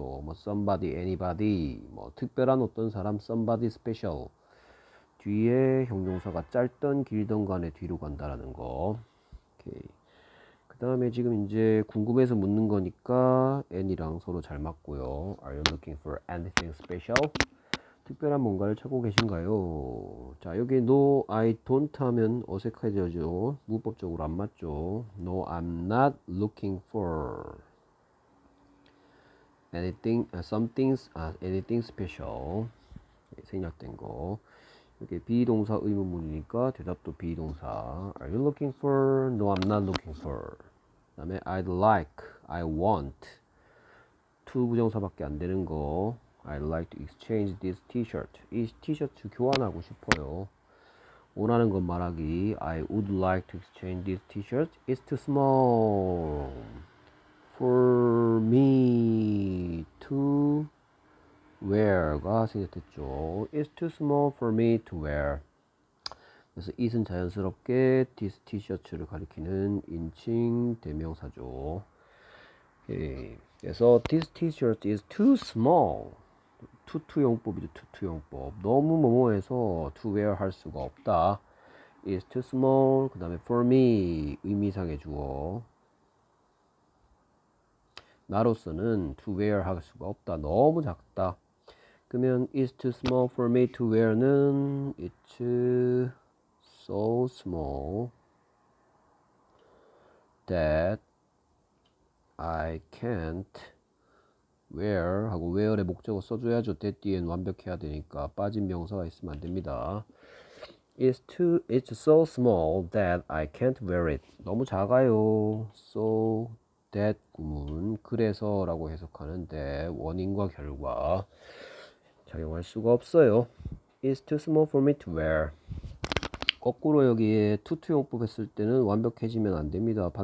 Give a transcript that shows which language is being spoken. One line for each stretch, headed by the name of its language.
Korean: 뭐 somebody anybody 뭐 특별한 어떤 사람
English: somebody special
Korean: 뒤에 형용사가 짧던 길던 간에 뒤로 간다라는 거. 오케이, 그 다음에 지금 이제 궁금해서 묻는 거니까 n이랑 서로 잘 맞고요.
English: Are you looking for anything special?
Korean: 특별한 뭔가를 찾고 계신가요? 자, 여기
English: no, I don't
Korean: 하면 어색해져죠. 문법적으로 안 맞죠.
English: No, I'm not looking for anything, something, anything special.
Korean: 생략된 거. 이렇게 be 동사 의문문이니까 대답도 be 동사.
English: Are you looking for? No, I'm not looking for.
Korean: 그다음에
English: I'd like, I want.
Korean: to 부정사밖에 안 되는 거.
English: I'd like to exchange this t-shirt.
Korean: 이 티셔츠 교환하고 싶어요. 원하는 것 말하기.
English: I would like to exchange this t-shirt. It's too small for me to wear가
Korean: 생각됐죠.
English: It's too small for me to wear.
Korean: 그래서 it은 자연스럽게 this 티셔츠를 가리키는 인칭 대명사죠. 오케이.
English: 그래서 this t-shirt is too small.
Korean: 투투용법이죠. 투투용법. 너무 뭐뭐해서 to wear 할 수가 없다. is too small. 그 다음에 for me 의미상의 주어. 나로서는 to wear 할 수가 없다. 너무 작다. 그러면
English: is too small for me to wear는 it's so small that I can't where 하고 where의
Korean: 목적어 써줘야죠. that 뒤엔 완벽해야 되니까 빠진 명사가 있으면 안 됩니다.
English: It's so small that I can't wear it.
Korean: 너무 작아요. So that 구문 그래서라고 해석하는데 원인과 결과 작용할 수가 없어요.
English: It's too small for me to wear.
Korean: 거꾸로 여기에 투투용법 했을 때는 완벽해지면 안 됩니다.